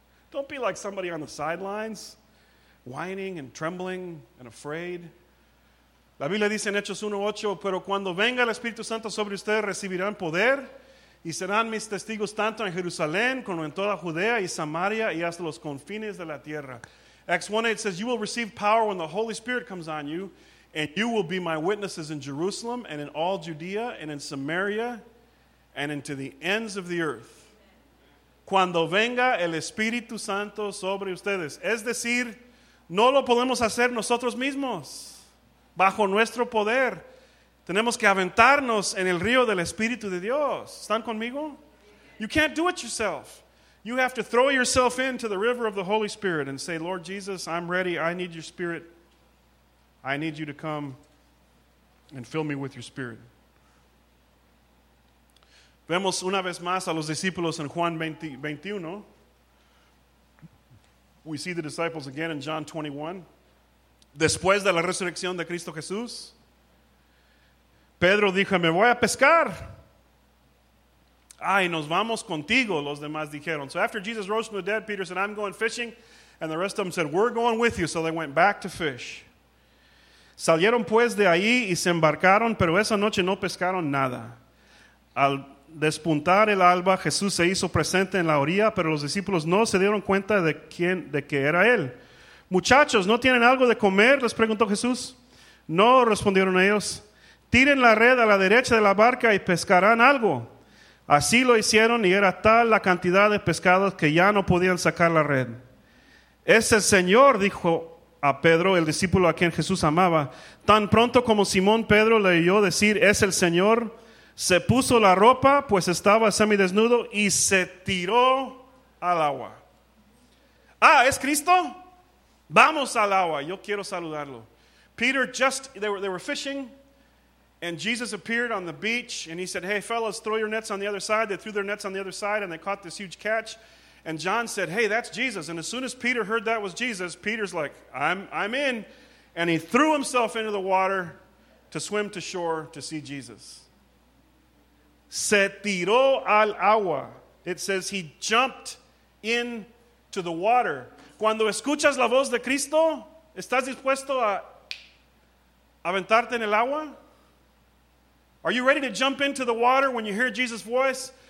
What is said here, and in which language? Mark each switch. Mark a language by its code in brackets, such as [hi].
[en] Don't be like somebody on the sidelines, whining and trembling and afraid. [es] La Biblia dice en Hechos 1:8, pero cuando venga el Espíritu Santo sobre ustedes, recibirán poder y serán mis testigos tanto en Jerusalén como en toda Judea y Samaria y hasta los confines de la tierra. Acts 1:8 says, you will receive power when the Holy Spirit comes on you, and you will be my witnesses in Jerusalem and in all Judea and in Samaria and into the ends of the earth. Cuando venga el Espíritu Santo sobre ustedes. Es decir, no lo podemos hacer nosotros mismos. Bajo nuestro poder, tenemos que aventarnos en el río del Espíritu de Dios. ¿Están conmigo? [en] You can't do it yourself. You have to throw yourself into the river of the Holy Spirit and say, Lord Jesus, I'm ready. I need your Spirit. I need you to come and fill me with your Spirit. [es] Vemos una vez más a los discípulos en Juan 21. [en] We see the disciples again in John 21. [es] Después de la resurrección de Cristo Jesús, Pedro dijo, me voy a pescar. Ay, nos vamos contigo, los demás dijeron. [en] So after Jesus rose from the dead, Peter said, I'm going fishing. And the rest of them said, we're going with you. So they went back to fish. [es] Salieron pues de ahí y se embarcaron, pero esa noche no pescaron nada. Al despuntar el alba, Jesús se hizo presente en la orilla, pero los discípulos no se dieron cuenta de que era él. Muchachos, ¿no tienen algo de comer? Les preguntó Jesús. No, respondieron ellos. Tiren la red a la derecha de la barca y pescarán algo. Así lo hicieron y era tal la cantidad de pescados que ya no podían sacar la red. Ese Señor, dijo a Pedro, el discípulo a quien Jesús amaba, tan pronto como Simón Pedro le oyó decir, es el Señor, se puso la ropa, pues estaba semidesnudo, y se tiró al agua. Ah, ¿es Cristo? Vamos al agua, yo quiero saludarlo. [en] Peter just, they were fishing, and Jesus appeared on the beach, and he said, hey, fellas, throw your nets on the other side. They threw their nets on the other side, and they caught this huge catch. And John said, hey, that's Jesus. And as soon as Peter heard that was Jesus, Peter's like, I'm in. And he threw himself into the water to swim to shore to see Jesus. [es] Se tiró al agua. [en] It says he jumped into the water. [es] Cuando escuchas la voz de Cristo, ¿estás dispuesto a aventarte en el agua? [en] Are you ready to jump into the water when you hear Jesus' voice?